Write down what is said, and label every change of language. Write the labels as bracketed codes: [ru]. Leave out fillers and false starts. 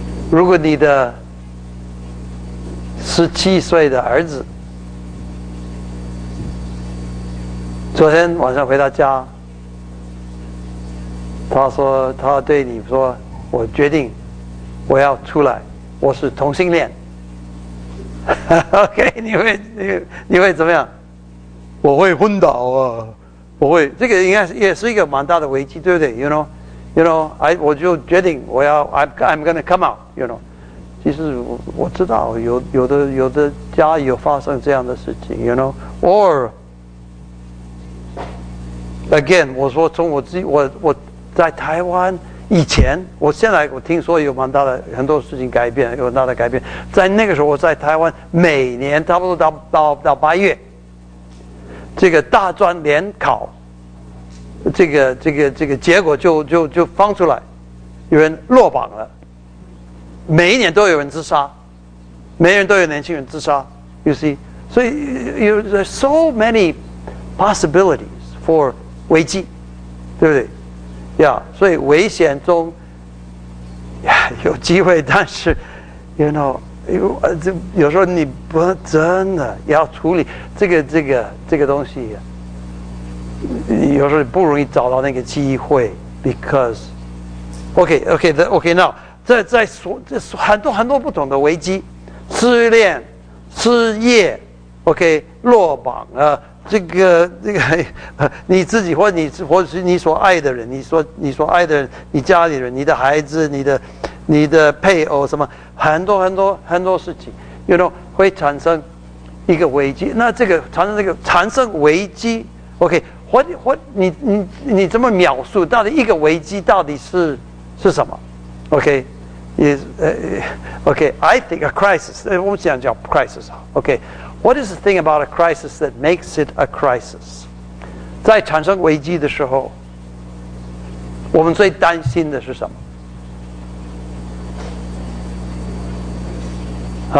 [zh] 如果你的17岁的儿子昨天晚上回到家，他说他对你说：“我决定，我要出来，我是同性恋。”OK， 你会怎么样？我会昏倒啊，我会，这个应该也是一个蛮大的危机，对不对？ [en] You know, you know, I [zh] 我就决定我要 [en] I'm gonna come out, you know。 [zh] 其实我知道有的家有发生这样的事情 ， [en] you know, or again， [zh] 我说从我自己我在台湾以前，我现在我听说有蛮大的很多事情改变，有很大的改变。在那个时候，我在台湾每年差不多到八月，这个大专联考，这个结果就放出来，有人落榜了。每一年都有人自杀，每人都有年轻人自杀。 [en] You see, so there's so many possibilities for [zh] 危机，对不对？ Yeah, 所以危险中 yeah, 有机会，但是 you know, 有时候你不真的要处理这个东西，有时候不容易找到那个机会 ， [en] because okay now。 [zh] 在所这很多很多不同的危机，失恋、失业 ，OK， 落榜啊、这个，你自己或是你所爱的人，你所爱的人，你家里人，你的孩子，你的配偶，什么很多很多很多事情 ，You know， 会产生一个危机。那这个产生危机 ，OK， 或你怎么描述？到底一个危机到底是什么 ？OK。 [en] Is okay. I think a crisis. We won't say a crisis. Okay, what is the thing about a crisis that makes it a crisis? [zh] 在产生危机的时候，我们最担心的是什么？